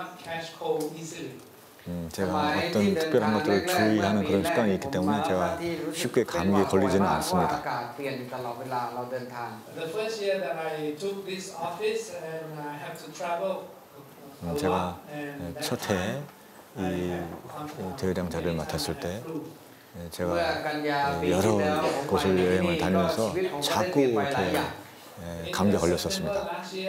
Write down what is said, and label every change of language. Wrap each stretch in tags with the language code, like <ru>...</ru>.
<en>Because I have refrained from certain things, so I did not catch cold easily.</en> <ko>제가 어떤 특별한 것들을 주의하는 그런 습관이 있기 때문에 제가 쉽게 감기에 걸리지는 않습니다.</ko> <en>The first year that I took this office and I have to travel.</en> <ko>제가 첫 해 이 대회장 자리를 맡았을 때 제가 여러 곳을 여행을 다니면서 자꾸 이렇게 감기 걸렸었습니다.</ko>